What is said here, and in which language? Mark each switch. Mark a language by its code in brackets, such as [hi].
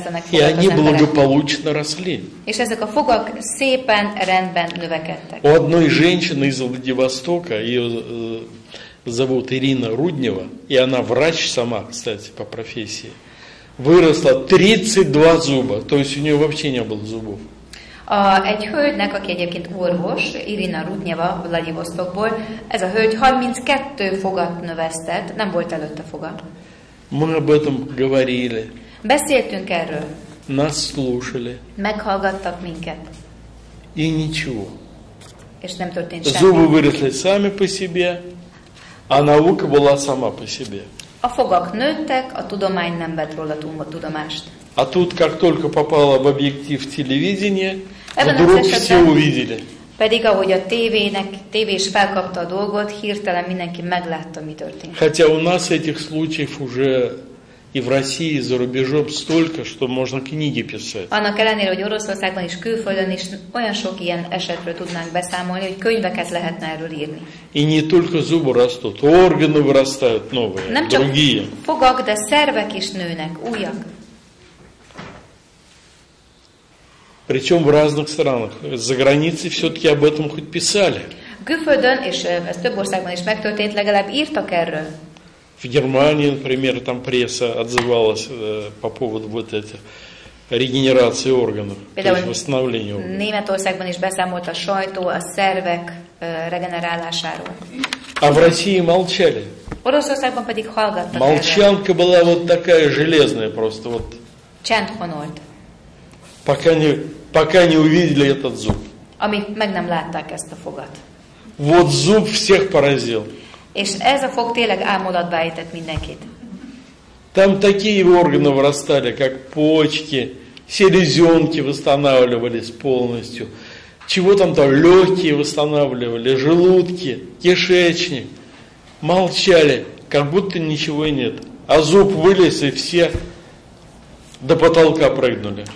[ru] И они благополучно росли. [hu] És ezek a fogak szépen rendben növekedtek. [ru] У одной женщины из Владивостока, ее зовут Ирина Руднева, и она врач сама, кстати, по профессии, выросло 32 зуба, то есть у нее вообще не было зубов. [hu] Egy hölgynek, aki egyébként orvos, Irina Rudnyeva, Vladivostokból, ez a hölgy 32 fogat növesztett, nem volt előtte foga. [ru] Мы об этом говорили. [hu] Beszéltünk erről. [ru] Нас слушали. [hu] Meghallgattak minket. [ru] И ничего. [hu] És nem történt semmi. [ru] Зубы выросли сами по себе, а наука была сама по себе. [hu] A fogak nőttek, a tudomány nem vett róla tudomást. [ru] А тут, как только попало в объектив телевидения, вдруг все увидели. [hu] Pedig ahogy a TV-nek, TV-s felkapta a dolgot, hirtelen mindenki meglátta, mi történt. [ru] Хотя у нас этих случаев уже и в России, и за рубежом столько, что можно книги писать. [hu] Annak ellenére, hogy Oroszországban és külföldön is olyan sok ilyen esetről tudnánk beszámolni, hogy könyveket lehetne erről írni. [ru] И не только зубы растут, органы вырастают новые, [hu] Nem [ru] другие. [hu] Nem csak fogak, de szervek is nőnek, újak. [ru] Причем в разных странах. За границей все-таки об этом хоть писали. [hu] Külföldön, és ez több országban is megtörtént, legalább írtak erről. [ru] В Германии, например, там пресса отзывалась по поводу вот этой регенерации органов, то есть восстановления органов. [hu] Németországban is beszámolt a sajtó a szervek regenerálásáról. [ru] А в России молчали. [hu] Oroszországban pedig hallgattak. [ru] Молчанка была вот такая железная просто вот. [hu] Csend honolt. [ru] Пока не увидели этот зуб. [hu] Amíg meg nem látták ezt a fogat. [ru] Вот зуб всех поразил. [hu] És ez a fog tényleg álmodatba ejtett mindenkit. [ru] Там такие органы вырастали, как почки, селезенки восстанавливались полностью. Чего там там, легкие восстанавливали, желудки, кишечник. Молчали, как будто ничего нет. А зуб вылез, и все до потолка прыгнули.